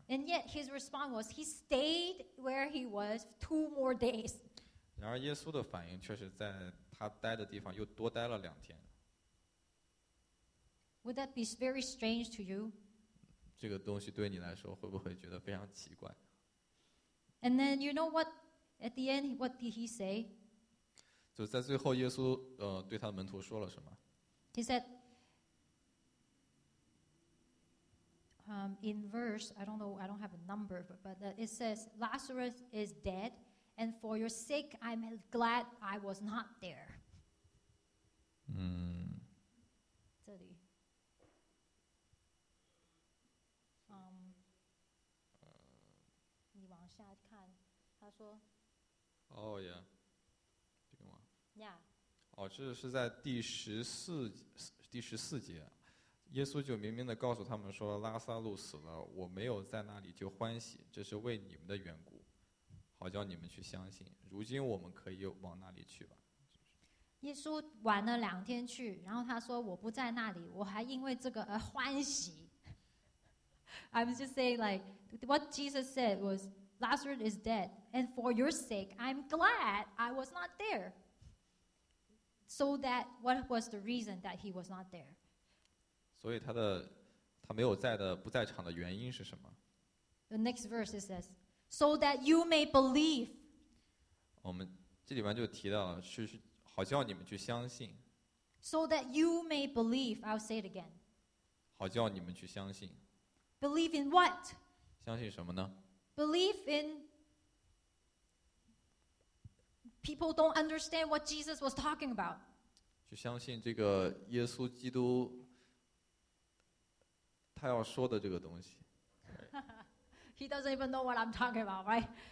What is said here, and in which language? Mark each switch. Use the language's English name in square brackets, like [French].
[English] And yet his response was he stayed where he was two more days. [Chinese] 然而耶稣的反应却是在他待的地方又多待了两天。 [English] Would that be very strange to you? [Chinese] 这个东西对你来说会不会觉得非常奇怪？ [English] And then you know what? At the end, what did he say? [Chinese] 就在最后，耶稣对他的门徒说了什么？ [English] He said, in verse, I don't know, I don't have a number, but it says, Lazarus is dead, and for your sake, I'm glad I was not there. [Chinese] 这里。你往下看，他说。 [English] Oh yeah, [Chinese] 这个吗 [English] ？Yeah. [Chinese] 哦，这是在第十四节，耶稣就明明的告诉他们说，拉撒路死了，我没有在那里就欢喜，这是为你们的缘故，好叫你们去相信。如今我们可以往那里去吧。耶稣晚了两天去，然后他说我不在那里，我还因为这个而欢喜。 [English] I'm just saying, like, what Jesus said was, Lazarus is dead, and for your sake, I'm glad I was not there. So that, what was the reason that he was not there? [Chinese] 所以他没有在的不在场的原因是什么？ [English] The next verse says, so that you may believe. [Chinese] 我们这里面就提到了，是好叫你们去相信。 [English] So that you may believe, I'll say it again. [Chinese] 好叫你们去相信。 [English] Believe in what? [Chinese] 相信什么呢？ [English] Believe in people don't understand what Jesus was talking about. [Chinese] 去相信这个耶稣基督他要说的这个东西。 [English] He doesn't even know what I'm talking about, right?